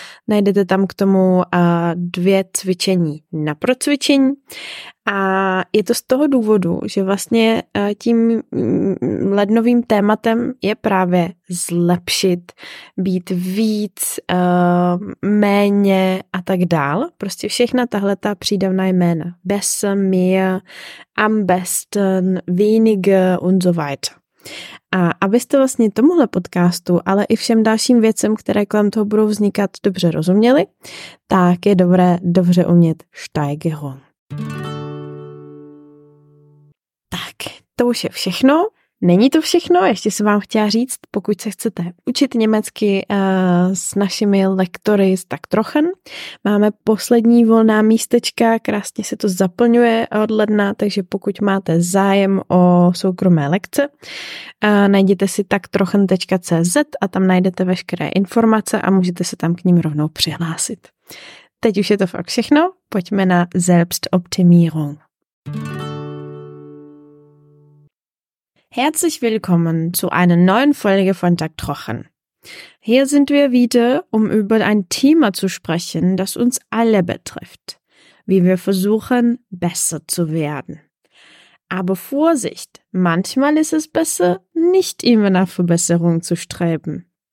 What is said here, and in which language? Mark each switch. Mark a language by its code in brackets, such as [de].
[cs] Najdete tam k tomu dvě cvičení na procvičení. A je to z toho důvodu, že vlastně tím lednovým tématem je právě zlepšit, být víc, méně a tak dál. Prostě všechna tahle ta přídavná jména. [de] Besser, mehr, am besten, weniger und so weiter. [cs] A abyste vlastně tomuhle podcastu, ale i všem dalším věcem, které kolem toho budou vznikat, dobře rozuměli, tak je dobré dobře umět Steigerung. To už je všechno. Není to všechno, ještě jsem vám chtěla říct, pokud se chcete učit německy s našimi lektory z Tak Trochen. Máme poslední volná místečka, krásně se to zaplňuje od ledna, takže pokud máte zájem o soukromé lekce, najděte si taktrochen.cz a tam najdete veškeré informace a můžete se tam k ním rovnou přihlásit. Teď už je to fakt všechno, pojďme na Selbstoptimierung. [de] Herzlich willkommen zu einer neuen Folge von Tak Trochen. Hier sind wir wieder, um über ein Thema zu sprechen, das uns alle betrifft, wie wir versuchen, besser zu werden. Aber Vorsicht, manchmal ist es besser, nicht immer nach Verbesserung zu streben.